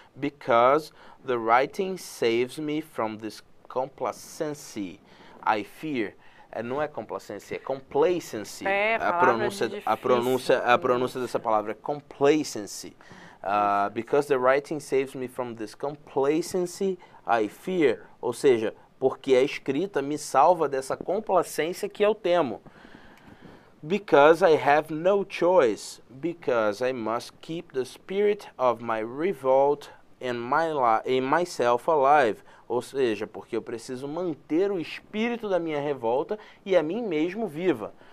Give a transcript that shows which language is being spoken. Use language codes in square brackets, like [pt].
[en] Because the writing saves me from this complacency I fear. [pt] Não é complacency, é complacency. É, palavra de difícil. A pronúncia dessa palavra é complacency. Isso. [en] Because the writing saves me from this complacency I fear. [pt] Ou seja, porque a escrita me salva dessa complacência que eu temo. [en] Because I have no choice. Because I must keep the spirit of my revolt in myself alive. [pt] Ou seja, porque eu preciso manter o espírito da minha revolta e a mim mesmo viva.